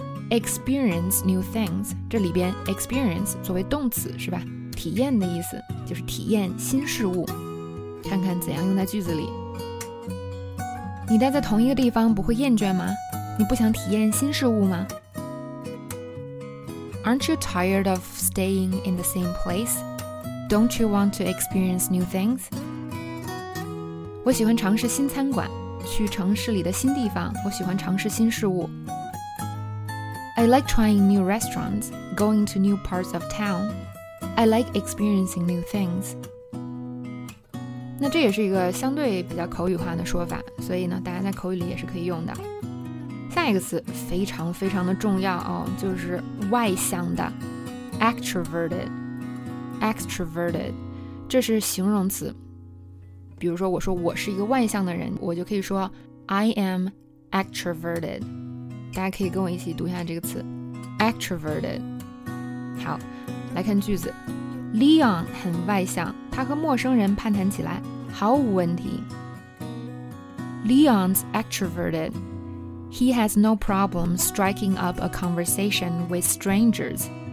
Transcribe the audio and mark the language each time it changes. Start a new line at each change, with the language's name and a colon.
English: experience new things，
Chinese: 这里边 experience 作为动词是吧，体验的意思就是体验新事物。看看怎样用在句子里。你待在同一个地方不会厌倦吗？你不想体验新事物吗？
English: Aren't you tired of staying in the same place? Don't you want to experience new things?
Chinese: 我喜欢尝试新餐馆，去城市里的新地方，我喜欢尝试新事物。
English: I like trying new restaurants, going to new parts of town. I like experiencing new things.
Chinese: 那这也是一个相对比较口语化的说法，所以呢，大家在口语里也是可以用的。下一个词非常非常的重要哦，就是外向的 ，extroverted. Extroverted， 这是形容词。比如说，我说我是一个外向的人，我就可以说
English: I am extroverted.
Chinese: 大家可以跟我一起读一下这个词 ，extroverted. 好。来看句子， Leon 很外向，他和陌生人攀谈起来毫无问题。
English: Leon's extroverted. He has no problem striking up a conversation with strangers.